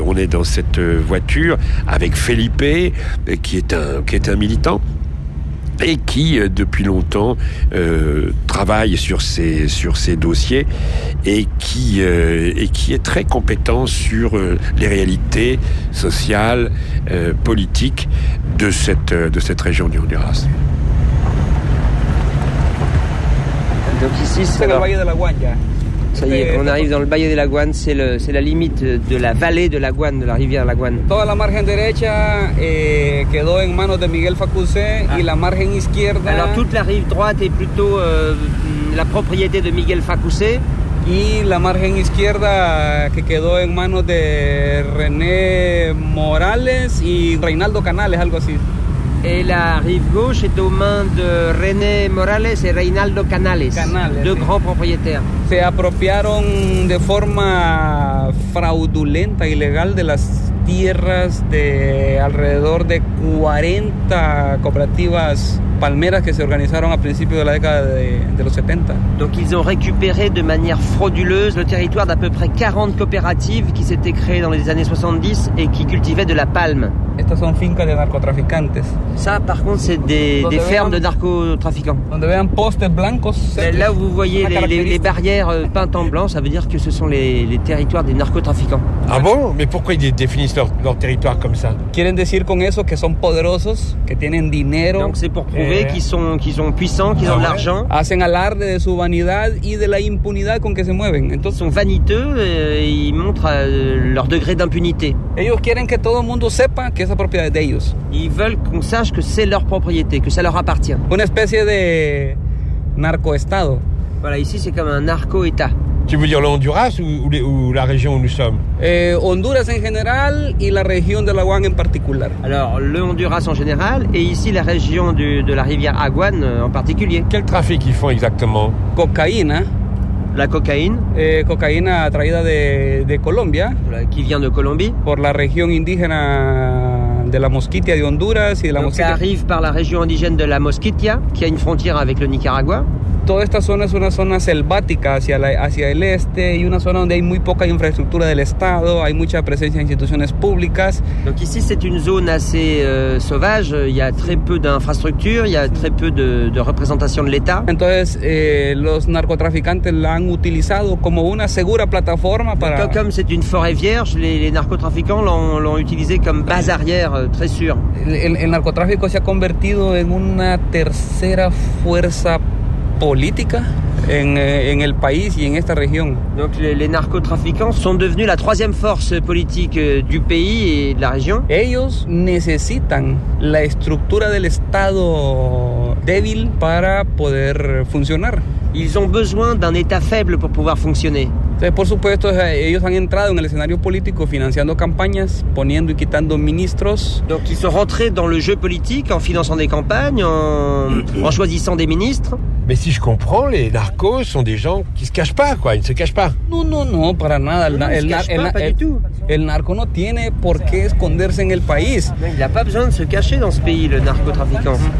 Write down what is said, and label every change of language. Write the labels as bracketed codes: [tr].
[fr] On est dans cette voiture avec Felipe, qui est un militant et qui, depuis longtemps, travaille sur ces dossiers et qui est très compétent sur les réalités sociales, politiques de cette région du Honduras. Donc ici, ça y est, on arrive dans le Valle de la Guane, c'est la limite de la vallée de la Guane, de la rivière la Guane. [es] Toda la margen derecha quedó en manos de Miguel Facusé y la margen izquierda. [fr] Alors toute la rive droite est plutôt la propriété de Miguel Facusé. [es] Y la margen izquierda que quedó en manos de René Morales y Reinaldo Canales, algo así. [fr] Et la rive gauche est aux mains de René Morales et Reinaldo Canales, deux grands propriétaires. [es] Se apropiaron de forma fraudulenta, ilegal, de las tierras de alrededor de 40 cooperativas palmeras que se organizaron a principios de la década de los 70. [fr] Donc ils ont récupéré de manière frauduleuse le territoire d'à peu près 40 coopératives qui s'étaient créées dans les années 70 et qui cultivaient de la palme. [es] Estas son fincas de narcotraficantes. [fr] Ça, par contre, c'est des fermes de narcotrafiquants. [es] Donde vean postes blancos. [fr] Là où vous voyez les barrières peintes en blanc, ça veut dire que ce sont les territoires des narcotrafiquants. Ah bon? Mais pourquoi ils définissent leur territoire comme ça? [es] Quieren decir con eso que son poderosos, que tienen dinero. [fr] Donc c'est pour prouver qu'ils sont puissants, qu'ils ont de l'argent. [es] Hacen alarde de su vanidad y de la impunidad con que se mueven. [fr] Entonces, ils sont vaniteux et ils montrent leur degré d'impunité. [es] Ellos quieren que todo el mundo sepa que esa propiedad es de ellos. [fr] Ils veulent qu'on sache que c'est leur propriété, que ça leur appartient. [es] Una especie de narco-estado. [fr] Voilà, ici c'est comme un narco-état. Tu veux dire le Honduras ou la région où nous sommes? [es] Honduras en général et la région de la Guane en particulier. [fr] Alors, le Honduras en général et ici la région de la rivière Aguane en particulier. Quel trafic ils font exactement? Cocaïne. La cocaïne. [es] Cocaïne traída de Colombia. [fr] Qui vient de Colombie. Pour la région indigène de la Mosquitia de Honduras. Et de la Donc, Mosquitia. Ça arrive par la région indigène de la Mosquitia, qui a une frontière avec le Nicaragua. [es] Toda esta zona es una zona selvática hacia el este y una zona donde hay muy poca infraestructura del Estado, hay mucha presencia de instituciones públicas. [fr] Donc ici c'est une zone assez sauvage, il y a très peu d'infrastructures, il y a très peu de représentation de l'État. [es] Entonces los narcotraficantes la han utilizado como una segura plataforma para... [fr] Donc, comme c'est une forêt vierge, les narcotrafiquants l'ont utilisé comme base arrière très sûre. [es] El narcotráfico se ha convertido en una tercera fuerza politique en el país y en esta región. [fr] Donc les narcotrafiquants sont devenus la troisième force politique du pays et de la région. [es] Ellos necesitan la estructura del Estado débil para poder funcionar. [fr] Ils ont besoin d'un État faible pour pouvoir fonctionner. [es] Entonces, por supuesto, ellos han entrado en el escenario político financiando campañas, poniendo y quitando ministros. [fr] Donc ils sont rentrés dans le jeu politique en finançant des campagnes, en choisissant des ministres. Mais si je comprends, les narcos sont des gens qui se cachent pas, quoi. Ils ne se cachent pas. [es] Non, non, non, para nada. El narco no tiene por qué esconderse en el país. [fr] Il n'a pas besoin de se cacher dans ce pays, le narcotrafiquant.